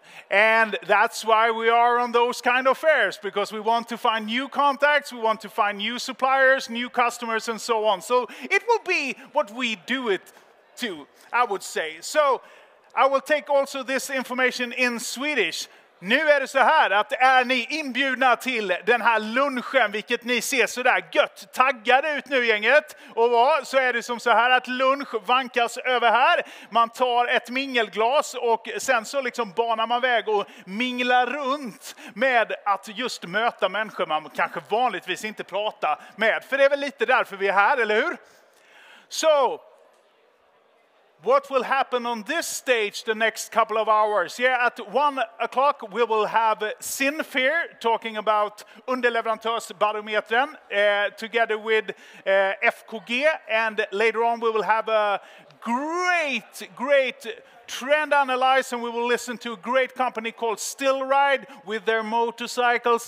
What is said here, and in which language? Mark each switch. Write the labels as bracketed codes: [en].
[en] And that's why we are on those kind of fairs, because we want to find new contacts, we want to find new suppliers, new customers, and so on. So it will be what we do it to, I would say. So I will take also this information in Swedish. [sv] Nu är det så här att är ni inbjudna till den här lunchen, vilket ni ser så där gött taggade ut nu gänget. Och vad, så är det som så här att lunch vankas över här. Man tar ett mingelglas och sen så liksom banar man väg och minglar runt med att just möta människor man kanske vanligtvis inte pratar med. För det är väl lite därför vi är här, eller hur? Så... [en] What will happen on this stage the next couple of hours? Yeah, at 1 o'clock we will have Sinfir talking about underleverantörsbarometern together with FKG, and later on we will have a great, great trend analyze, and we will listen to a great company called Stillride with their motorcycles.